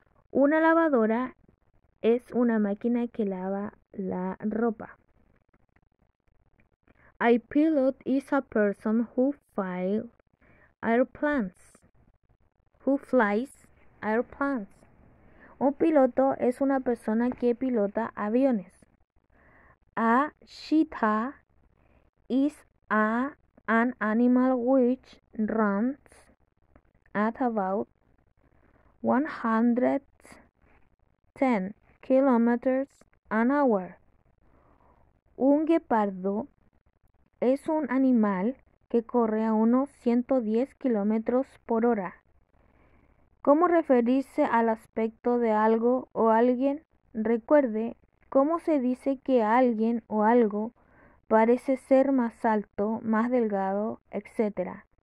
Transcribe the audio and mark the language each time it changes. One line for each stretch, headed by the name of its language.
Spanish: Una lavadora es una máquina que lava la ropa.
English: A pilot is a person who flies airplanes. Who flies airplanes.
Spanish: Un piloto es una persona que pilota aviones.
English: A cheetah is an animal which runs at about 110 kilometers an hour.
Spanish: Un guepardo es un animal que corre a unos 110 kilómetros por hora. ¿Cómo referirse al aspecto de algo o alguien? Recuerde cómo se dice que alguien o algo parece ser más alto, más delgado, etc.